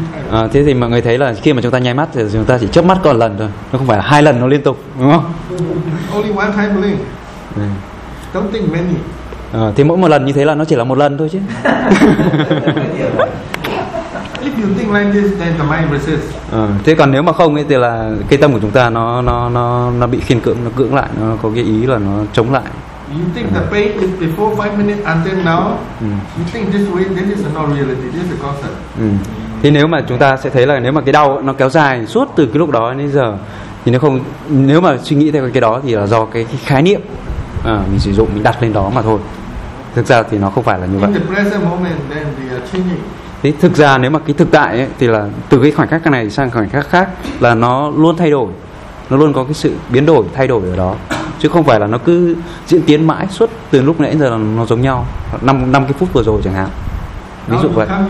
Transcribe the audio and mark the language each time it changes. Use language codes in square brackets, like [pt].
[vi] Thế thì mọi người thấy là khi mà chúng ta nháy mắt thì chúng ta chỉ chớp mắt có một lần thôi, nó không phải là hai lần nó liên tục, đúng không? [en] Only one time blink. Don't think many. [vi] Thì mỗi một lần như thế là nó chỉ là một lần thôi chứ. [en] If you think like this, then the mind resists. [vi] Thế còn nếu mà không ấy, thì là cái tâm của chúng ta nó bị khiên cưỡng, nó cưỡng lại, nó có cái ý là nó chống lại. [en] You think the pain is before 5 minutes until now. You think this way, this is not reality, this is the concept. [vi] Thì nếu mà chúng ta sẽ thấy là nếu mà cái đau nó kéo dài suốt từ cái lúc đó đến giờ thì nếu không, nếu mà suy nghĩ theo cái đó thì là do cái khái niệm mình sử dụng, mình đặt lên đó mà thôi. Thực ra thì nó không phải là như vậy. [en] In the present moment, then we are changing. [vi] Thế thực ra nếu mà cái thực tại ấy, thì là từ cái khoảnh khắc này sang khoảnh khắc khác là nó luôn thay đổi, nó luôn có cái sự biến đổi, thay đổi ở đó, chứ không phải là nó cứ diễn tiến mãi suốt từ lúc nãy giờ là nó giống nhau 5 cái phút vừa rồi chẳng hạn, ví dụ vậy.